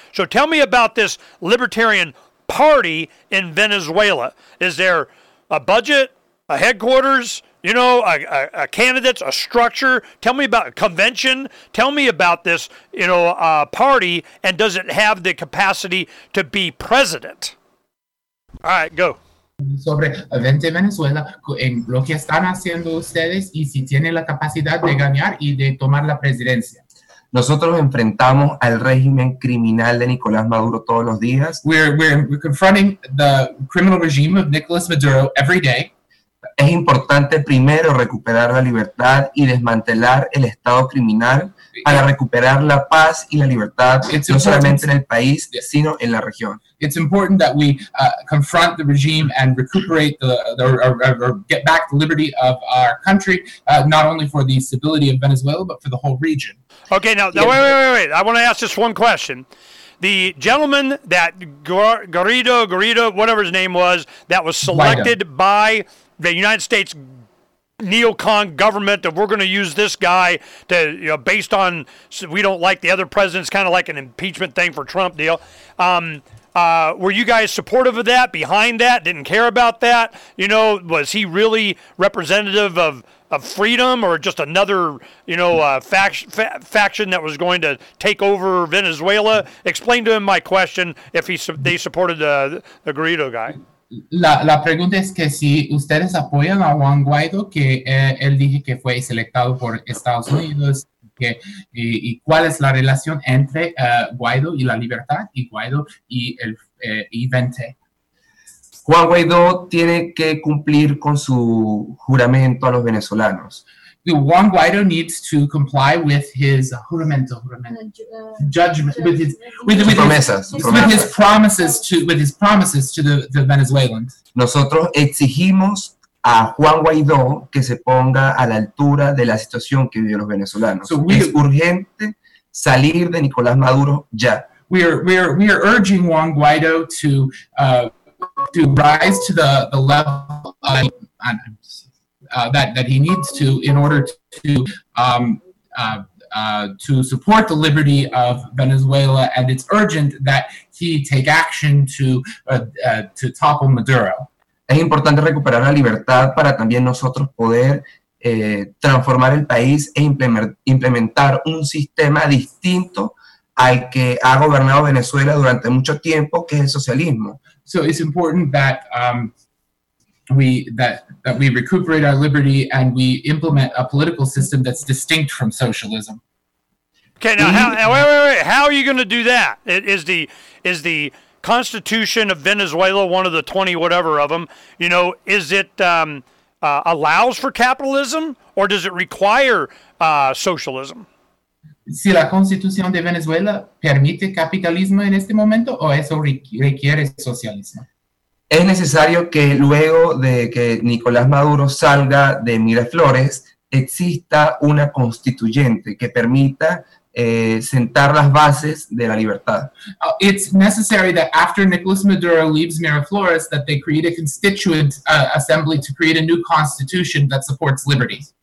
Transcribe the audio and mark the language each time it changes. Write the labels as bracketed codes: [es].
[en] So tell me about this libertarian party in Venezuela. Is there a budget, a headquarters, you know, a candidates, a structure? Tell me about a convention. Tell me about this, you know, party. And does it have the capacity to be president? All right, go. [es] Sobre 20 Venezuela, en lo que están haciendo ustedes y si tienen la capacidad de ganar y de tomar la presidencia. Nosotros enfrentamos al régimen criminal de Nicolás Maduro todos los días. [en] We're confronting the criminal regime of Nicolas Maduro every day. [es] Es importante primero recuperar la libertad y desmantelar el Estado criminal para recuperar la paz y la libertad, no solamente en el país, sino en la región. [en] It's important that we confront the regime and recuperate or get back the liberty of our country, not only for the stability of Venezuela, but for the whole region. Okay, now, wait. I want to ask just one question. The gentleman that Guaido, whatever his name was, that was selected by the United States neocon government, that we're going to use this guy to, you know, based on, so we don't like the other presidents, kind of like an impeachment thing for Trump deal. Were you guys supportive of that, behind that, didn't care about that? You know, was he really representative of freedom, or just another, you know, faction that was going to take over Venezuela? Explain to him my question, if they supported the Guaido guy. [es] La pregunta es que si ustedes apoyan a Juan Guaido, que él dije que fue selectado por Estados Unidos, y cuál es la relación entre Guaido y la libertad, y Guaido y el Vente. Juan Guaido tiene que cumplir con su juramento a los venezolanos. [en] Juan Guaido needs to comply with his promises to the Venezuelans. [es] Nosotros exigimos a Juan Guaido que se ponga a la altura de la situación que viven los venezolanos. So es urgente salir de Nicolás Maduro ya. [en] We are urging Juan Guaido to rise to the level that he needs to in order to support the liberty of Venezuela, and it's urgent that he take action to topple Maduro. [es] Es importante recuperar la libertad para también nosotros poder transformar el país e implementar un sistema distinto al que ha gobernado Venezuela durante mucho tiempo, que es el socialismo. [en] So it's important that we recuperate our liberty and we implement a political system that's distinct from socialism. Okay, now wait. How are you going to do that? Is the Constitution of Venezuela one of the 20 whatever of them? You know, is it allows for capitalism or does it require socialism? [es] Si la Constitución de Venezuela permite capitalismo en este momento o eso requiere socialismo. Es necesario que luego de que Nicolás Maduro salga de Miraflores exista una constituyente que permita sentar las bases de la libertad. [en] It's necessary that after Nicolas Maduro leaves Miraflores that they create a constituent assembly to create a new constitution that supports liberty.